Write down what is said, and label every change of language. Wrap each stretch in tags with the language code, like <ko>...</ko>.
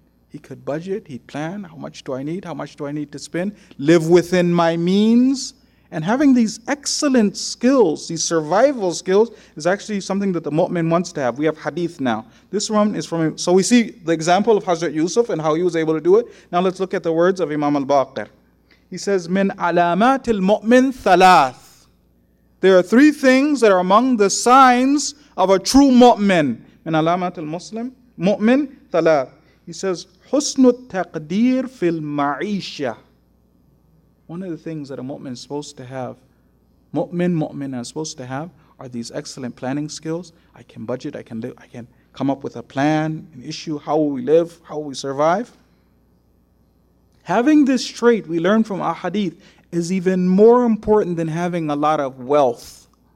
<en>He could budget, he'd plan, how much do I need, how much do I need to spend, live within my means. And having these excellent skills, these survival skills, is actually something that the mu'min wants to have. We have hadith now. This one is from, so we see the example of Hazrat Yusuf and how he was able to do it. Now let's look at the words of Imam al-Baqir. He says,</en> <ar>من علامات المؤمن ثلاث.</ar> <en>There are three things that are among the signs of a true mu'min.</en> <ar>من علامات المسلم, مؤمن ثلاث.</ar> <en>He says,</en> <ar>حُسْنُ التَّقْدِيرِ فِي الْمَعِيشَةِ.</ar> <en>One of the things that a mu'min is supposed to have, mu'min are supposed to have, are these excellent planning skills. I can budget, I can live, I can come up with a plan, an issue, how will we live, how will we survive. Having this trait, we learn from ahadith, is even more important than having a lot of wealth.</en>